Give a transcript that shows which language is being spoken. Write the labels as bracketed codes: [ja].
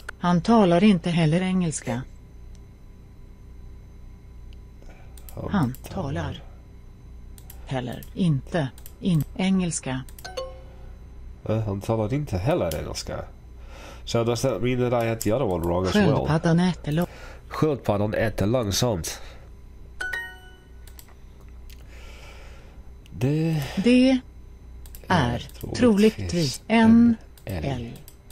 [sv] Han talar inte heller engelska. Han talar. Heller. Inte. Engelska. Han talar inte heller engelska. [en] So does that mean that I had the other one wrong as well? [sv] Sköldpaddan äter långsamt. Sköldpaddan äter långsamt. Det är troligtvis en älg.